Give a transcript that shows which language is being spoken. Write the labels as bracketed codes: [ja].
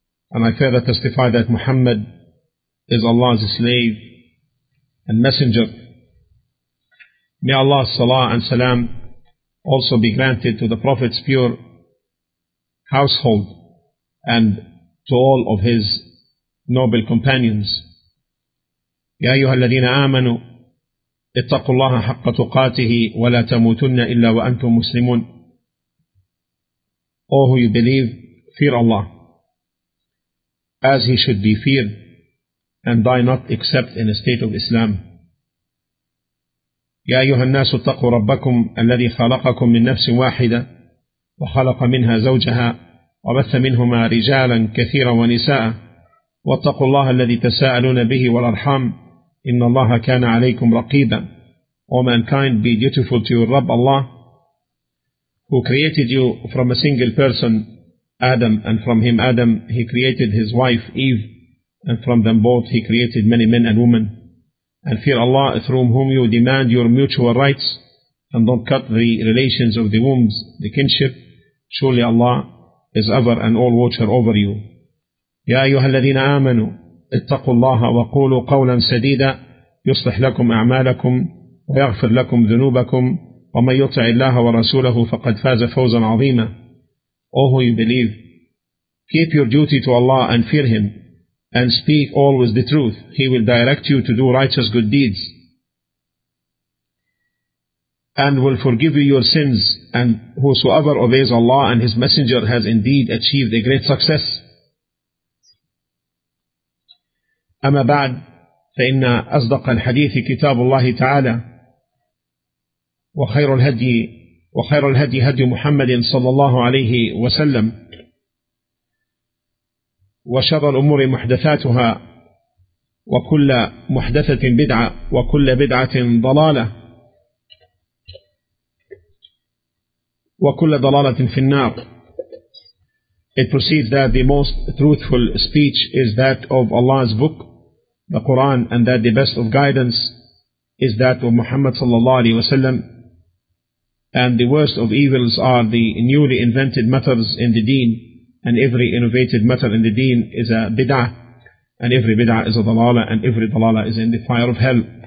[en] And I further testify that Muhammad is Allah's slave and messenger. May Allah's salah and salam also be granted to the Prophet's pure household and to all of his noble companions. [ar] يا أيها الذين آمنوا اتقوا الله حق تقاته ولا تموتن إلا وأنتم مسلمون. [en] All who you believe, fear Allah as He should be feared, and die not except in a state of Islam. [ar] يا أيها الناس اتقوا ربكم الذي خلقكم من نفس واحدة وخلق منها زوجها وبث منهما رجالا كثيرا ونساء، واتقوا الله الذي تساءلون به والأرحام إن الله كان عليكم رقيبا. [en] O mankind, be dutiful to your Rabb Allah, who created you from a single person, Adam, and from him Adam, he created his wife Eve, and from them both he created many men and women. And fear Allah, through whom you demand your mutual rights, and don't cut the relations of the wombs, the kinship. Surely Allah is ever and all watcher over you. [ar] يا أيها الذين آمنوا اتقوا الله وقولوا قولا سديدا يصلح لكم أعمالكم ويغفر لكم ذنوبكم ومن يطع الله ورسوله فقد فاز فوزا عظيما. [en] All who you believe, keep your duty to Allah and fear Him, and speak always the truth. He will direct you to do righteous good deeds, and will forgive you your sins. And whosoever obeys Allah and His Messenger has indeed achieved a great success. [ar] أما بعد، فإن أصدق الحديث كتاب الله تعالى، وخير الهدي هدي محمد صلى الله عليه وسلم، وشر الأمور محدثاتها، وكل محدثة بدعة، وكل بدعة ضلالة، وكل ضلالة في النار. [en] It proceeds that the most truthful speech is that of Allah's book, the Quran, and that the best of guidance is that of Muhammad sallallahu alaihi wasallam, and the worst of evils are the newly invented matters in the deen, and every innovated matter in the deen is a bid'ah, and every bid'ah is a dalala, and every dalala is in the fire of hell.